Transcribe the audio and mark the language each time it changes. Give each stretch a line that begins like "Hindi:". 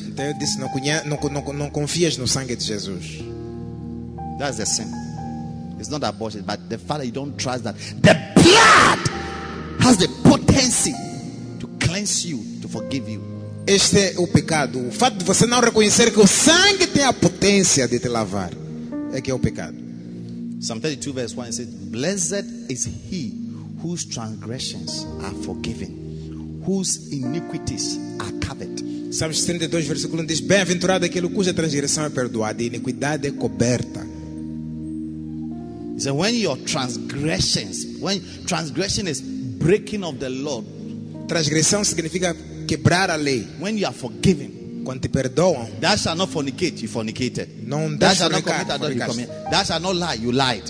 Portuguese: Então eu disse, não confias no sangue de Jesus.
English: That's the sin. It's not abortion, but the fact that you don't trust that. The blood has the potency to cleanse. cleanse you, to forgive you.
Portuguese: Este é o pecado. O fato de você não reconhecer que o sangue tem a potência de te lavar é que é o pecado.
English: Psalm 32 verse 1 says, blessed is he whose transgressions are forgiven, whose iniquities are covered.
Portuguese: Salmos 32 versículo 1 diz, bem-aventurado aquele cuja transgressão é perdoada e iniquidade é coberta.
English: He said, when your transgressions, when transgression is breaking of the law,
Portuguese: transgressão significa quebrar a lei.
English: When you are forgiven,
Portuguese: quando te perdoam,
English: thou shalt not fornicate, you fornicated.
Portuguese: Não,
English: thou shalt not commit adultery, you committed. Thou shalt not lie, you lied.